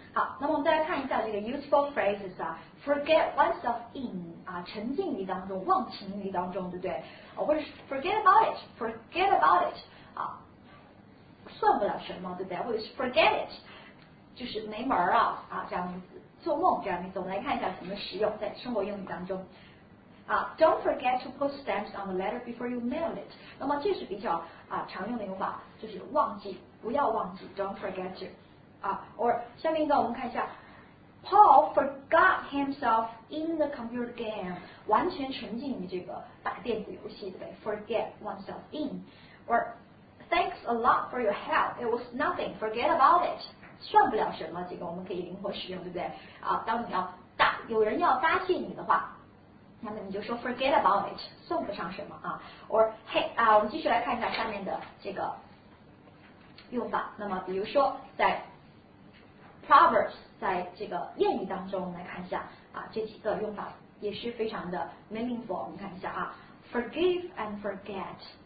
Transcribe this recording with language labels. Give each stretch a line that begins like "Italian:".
Chinese: 好，那么我们再来看一下这个 useful phrases 啊 ，
English: forget oneself in
Chinese: 啊，沉浸于当中，忘情于当中，对不对？啊、或者是
English: forget about it
Chinese: 啊，算不了什么，对不对？或者是 forget it， 就是没门儿啊这样子。做梦这样的意思，我们来看一下怎么使用在生活用语当中。
English: Don't forget to put stamps on the letter before you mail it。
Chinese: 那么这是比较常用的用法，就是忘记，不要忘记 ，
English: don't forget to。
Chinese: or 下面一个我们看一下 ，
English: Paul forgot himself in the computer game，
Chinese: 完全沉浸于这个打电子游戏，对不对 ？Forget oneself in。
English: or thanks a lot for your help， it was nothing， forget about it。
Chinese: 算不了什么，这个我们可以灵活使用，对不对？当你要答有人要答谢你的话，那么你就说
English: forget about it，
Chinese: 算不上什么啊。 or hey 我们继续来看一下下面的这个用法。那么比如说在 proverbs， 在这个谚语当中，我们来看一下这几个用法也是非常的 meaningful。我们看一下
English: forgive and forget，